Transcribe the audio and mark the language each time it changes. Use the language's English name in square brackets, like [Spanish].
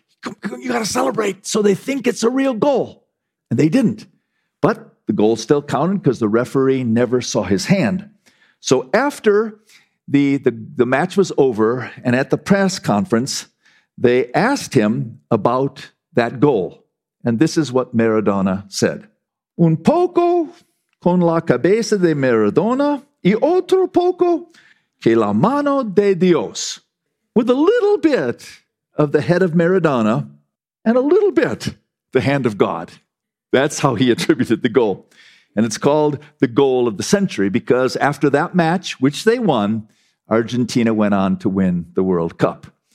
[English] Come, you got to celebrate, so they think it's a real goal. And they didn't. But the goal still counted because the referee never saw his hand. So after the match was over and at the press conference, they asked him about that goal. And this is what Maradona said. [Spanish] Un poco con la cabeza de Maradona y otro poco que la mano de Dios. [English] With a little bit of the head of Maradona and a little bit the hand of God. That's how he attributed the goal. And it's called the goal of the century because after that match, which they won, Argentina went on to win the World Cup.